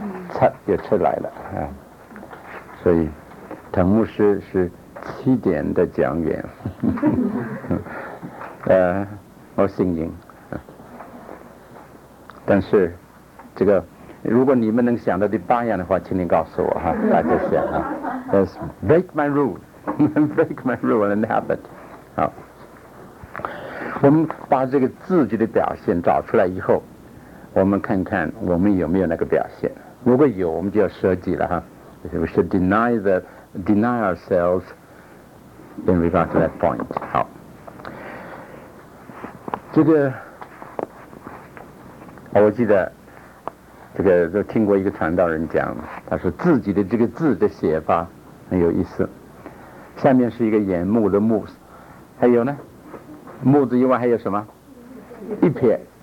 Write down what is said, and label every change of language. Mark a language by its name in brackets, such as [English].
[Chinese] 七也出来了啊，所以藤牧师是七点的讲员。我姓林，但是这个如果你们能想到第八样的话，请你告诉我哈，大家想啊。 [English] Let's break my rule, break my rule and habit. [Chinese] 好，我们把这个自己的表现找出来以后，我们看看我们有没有那个表现。如果有，我们就要舍己了哈。 [English] We should deny ourselves in regard to that point. [Chinese] 好，这个我记得，这个都听过一个传道人讲，他说自己的这个字的写法很有意思。下面是一个眼目的目，还有呢，目字以外还有什么？一撇。